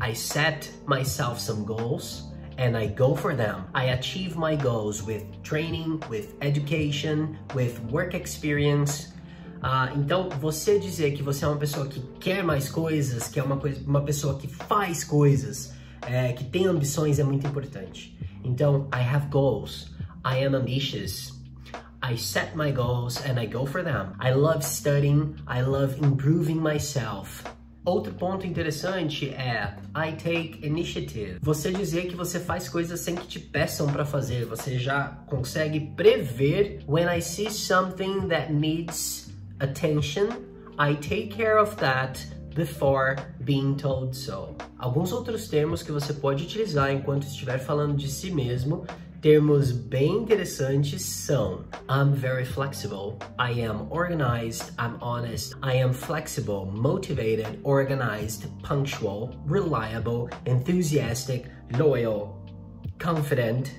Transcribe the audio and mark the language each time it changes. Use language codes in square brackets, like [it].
[en] I set myself some goals and I go for them. I achieve my goals with training, with education, with work experience. [pt] Então, você dizer que você é uma pessoa que quer mais coisas, que é uma pessoa que faz coisas, que tem ambições, é muito importante. Então, [en] I have goals. I am ambitious. I set my goals and I go for them. I love studying. I love improving myself. [pt] Outro ponto interessante é: [en] I take initiative. [pt] Você dizer que você faz coisas sem que te peçam para fazer. Você já consegue prever. [en] When I see something that needs attention, I take care of that before being told so. [pt] Alguns outros termos que você pode utilizar enquanto estiver falando de si mesmo. Termos bem interessantes são: [en] I'm very flexible. I am organized. I'm honest. I am flexible, motivated, organized, punctual, reliable, enthusiastic, loyal, confident.